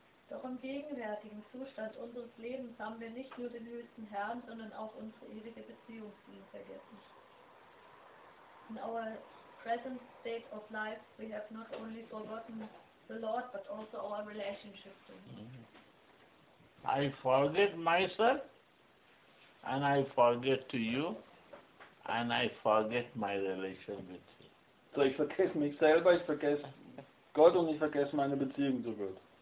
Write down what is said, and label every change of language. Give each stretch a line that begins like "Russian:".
German: Doch im gegenwärtigen Zustand unseres Lebens haben wir nicht nur den höchsten Herrn, sondern auch unsere ewige Beziehung zu ihm vergessen.
English: In our present state of life, we have not only forgotten the Lord, but also our relationship to him. I forget myself, and I forget to you, and I forget my relation with you.
German: So ich vergesse mich selber, ich vergesse Gott und ich vergesse meine Beziehung zu Gott.